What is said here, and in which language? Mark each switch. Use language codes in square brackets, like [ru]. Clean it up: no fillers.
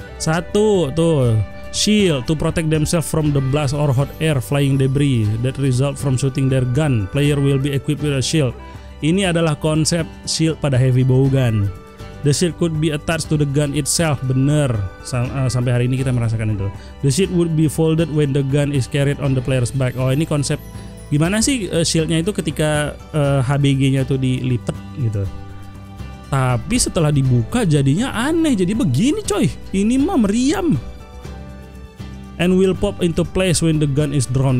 [id] Satu tuh, [en] shield to protect themselves from the blast or hot air flying debris that result from shooting their gun. Player will be equipped with a shield. [id] Ini adalah konsep shield pada heavy bowgun. [en] The shield could be attached to the gun itself. [id] Bener, sampai hari ini kita merasakan itu. [en] The shield would be folded when the gun is carried on the player's back. [id] Oh, ini konsep gimana sih shieldnya itu ketika HBG-nya itu dilipet gitu. Tapi setelah dibuka jadinya aneh, jadi begini coy. Ini mah meriam. [en] And will pop into place when the gun is drawn.